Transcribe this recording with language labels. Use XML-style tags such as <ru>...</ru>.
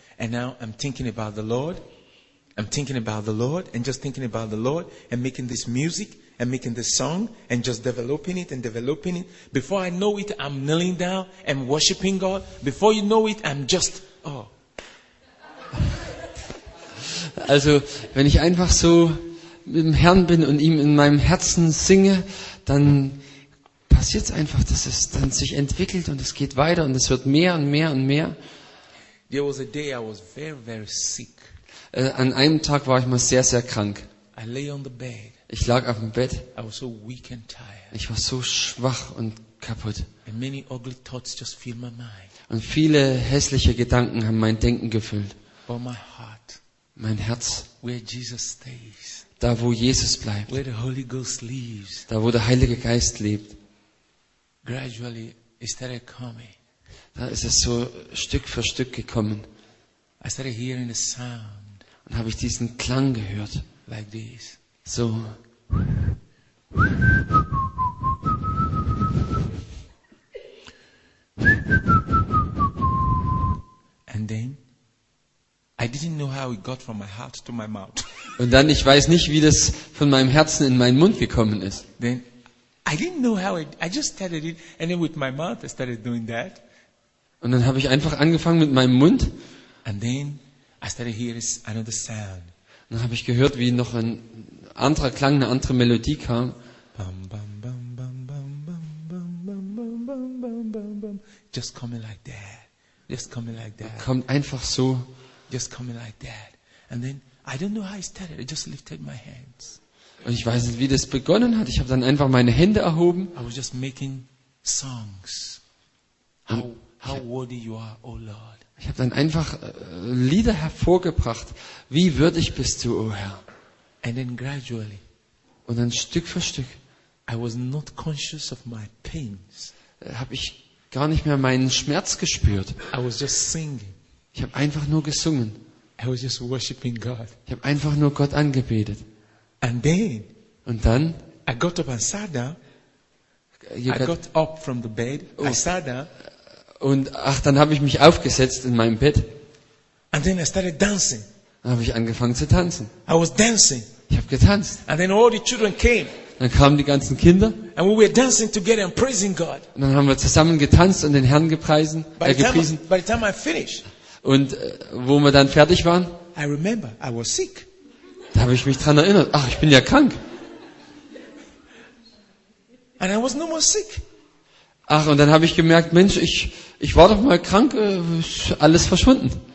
<en>And now I'm thinking about the Lord. I'm thinking about the Lord and just thinking about the Lord and making this music and making this song and just developing it and developing it. Before I know it, I'm kneeling down and worshiping God. Before you know it, I'm just, oh.</en> <de>Also, wenn ich einfach so mit dem Herrn bin und ihm in meinem Herzen singe, dann passiert es einfach, dass es dann sich entwickelt und es geht weiter und es wird mehr und mehr und mehr.</de> <en>There was a day I was very, very sick.</en> <de>An einem Tag war ich mal sehr, sehr krank.</de> <en>I lay on the bed.</en> <de>Ich lag auf dem Bett.</de> <en>I was so weak and tired.</en> <de>Ich war so schwach und kaputt.</de> <en>And many ugly thoughts just filled my mind.</en> <de>Und viele hässliche Gedanken haben mein Denken gefüllt.</de> <en>But my heart,</en> <de>mein Herz,</de> <en>where Jesus stays,</en> <de>da wo Jesus bleibt,</de> <en>where the Holy Ghost lives,</en> <de>da wo der Heilige Geist lebt,</de> <en>gradually it started coming.</en> <de>Da ist es so Stück für Stück gekommen.</de> <en>I started hearing the sound.</en> <de>Und habe ich diesen Klang gehört.</de> <en>Like this.</en> <de>So.</de> <en>And then I didn't know how it got from my heart to my mouth.</en> <de>Und dann, ich weiß nicht, wie das von meinem Herzen in meinen Mund gekommen ist.</de> <en>Then I didn't know how I just started it and then with my mouth I started doing that.</en> <de>Und dann habe ich einfach angefangen mit meinem Mund.</de> <en>And then I started hearing another sound.</en> <de>Dann habe ich gehört, wie noch ein anderer Klang, eine andere Melodie kam. Bam, bam, bam, bam, bam, bam, bam, bam, bam, bam, bam, bam.</de> <en>Just coming like that. Just coming like that.</en> <de>Kommt einfach so.</de> <en>Just coming like that. And then I don't know how it started. I just lifted my hands.</en> <de>Und ich weiß nicht, wie das begonnen hat. Ich habe dann einfach meine Hände erhoben.</de> <en>I was just making songs. How worthy you are, O Lord.</en> <de>Ich habe dann einfach Lieder hervorgebracht. Wie würdig bist du, oh Herr?</de> <en>And then gradually,</en> <de>und dann Stück für Stück,</de> <en>I was not conscious of my pains.</en> <de>Habe ich gar nicht mehr meinen Schmerz gespürt.</de> <en>I was just singing.</en> <de>Ich habe einfach nur gesungen.</de> <en>I was just worshiping God.</en> <de>Ich habe einfach nur Gott angebetet.</de> <en>And then,</en> <de>und dann,</de> <en>I got up and sat down. I got up from the bed. Oh. I sat down.</en> <de>Und ach, dann habe ich mich aufgesetzt in meinem Bett.</de> <en>And then I started dancing.</en> <de>Dann habe ich angefangen zu tanzen.</de> <en>I was dancing.</en> <de>Ich habe getanzt.</de> <en>And then all the children came.</en> <de>Dann kamen die ganzen Kinder.</de> <en>And we were dancing together and praising God.</en> <de>Und dann haben wir zusammen getanzt und den Herrn gepriesen.</de> <en>By the time I finished.</en> <de>Und wo wir dann fertig waren.</de> <en>I remember, I was sick.</en> <de>Da habe ich mich dran erinnert. Ach, ich bin ja krank.</de> <en>And I was no more sick.</en> <de>Ach, und dann habe ich gemerkt, Mensch, ich war doch mal krank, alles verschwunden.</de>